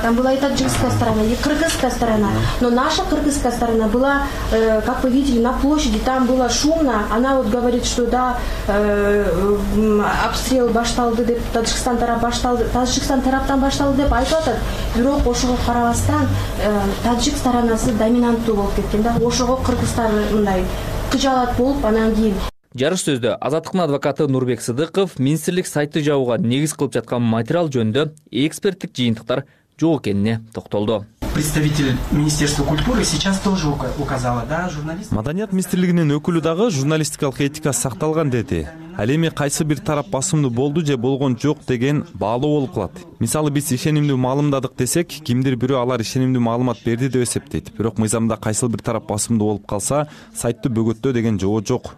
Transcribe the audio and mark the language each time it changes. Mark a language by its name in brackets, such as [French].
[Russian] Там была и таджикская сторона, и кыргызская сторона. Но наша кыргызская сторона была, как вы видели, на площади, там было шумно. Она вот говорит, что да, обстрел [Kyrgyz] башталды, Таджикстан тарап башталды, Таджикстан тарап там башталды, деп айтылат. Бирок ошого карабастан таджик сторонасы доминанттуу болуп кеткен да. Ошого кыргызстан мындай кыжалат болуп, анан кийин... Жарыш сөздө азаттыктын адвокаты Нурбек Сыдыков министрлик сайты жабууга негиз кылып жаткан материал жөнүндө эксперттик жыйынтыктар жок экенине токтолду. [Russian] Представитель Министерства культуры сейчас тоже указала, да, журналист. [Kyrgyz] Маданият министрлигинин өкүлү дагы журналистикалык этика сакталган деди. Ал эми кайсы бир тарап басымдуу болду же болгон жок деген баалоо болуп калат. Мисалы биз ишенимдүү маалымдадык десек, кимдир бирөө алар ишенимдүү маалымат берди деп эсептейт. Бирок мыйзамда кайсыл бир тарап басымдуу болуп калса, сайтты бөгөттөө деген жоо жок.